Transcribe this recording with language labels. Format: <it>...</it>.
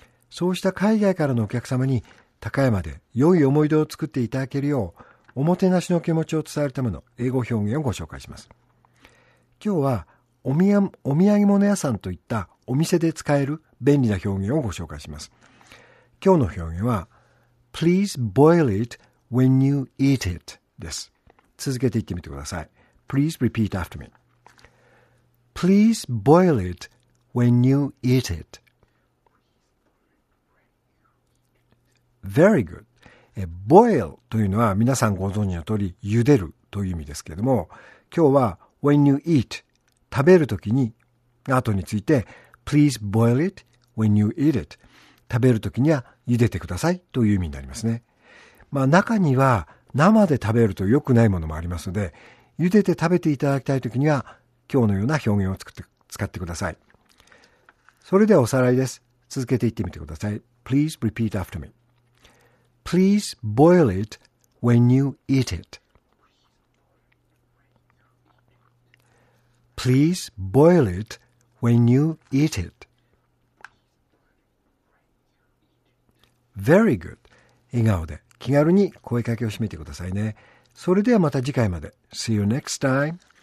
<ja>そうした海外からのお客様に高山で良い思い出を作っていただけるよう、おもてなしの気持ちを伝えるための英語表現をご紹介します。今日はお土産物屋さんといったお店で使える便利な表現をご紹介します。今日の表現は、</ja> <en>Please boil it when you eat it</en> <ja>です。続けて言ってみてください。</ja> <en>Please repeat after me. Please boil it when you eat it. Very good.</en> <ja>Boil というのは皆さんご存知の通り、茹でるという意味ですけれども、今日は</ja> <en>when you eat、</en> <ja>食べるときに、後について、</ja> <en>Please boil it when you eat it。</en> <ja>食べるときには茹でてくださいという意味になりますね。まあ中には生で食べると良くないものもありますので、茹でて食べていただきたいときには今日のような表現を使ってください。それではおさらいです。続けて言ってみてください。</ja> <en>Please repeat after me. Please boil it when you eat it. Please boil it when you eat it. Very good.</en> <ja>笑顔で気軽に声かけを締めてくださいね。それではまた次回まで。</ja> <en>See you next time.</en>